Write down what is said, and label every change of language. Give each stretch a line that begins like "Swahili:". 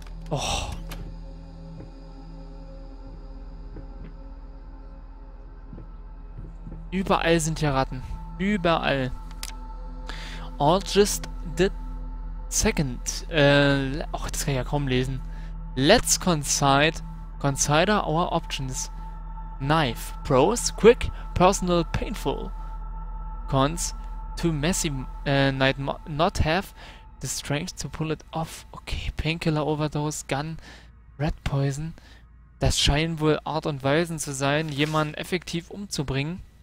German: Oh. Überall sind hier Ratten. Überall.
English: Or just the second.
German: Ach, das kann ich ja kaum lesen.
English: Let's consider our options. Knife. Pros. Quick. Personal. Painful. Cons. Too messy. Might not have the strength to pull it off. Okay. Painkiller Overdose. Gun. Red Poison.
German: Das scheinen wohl Art und Weisen zu sein, jemanden effektiv umzubringen.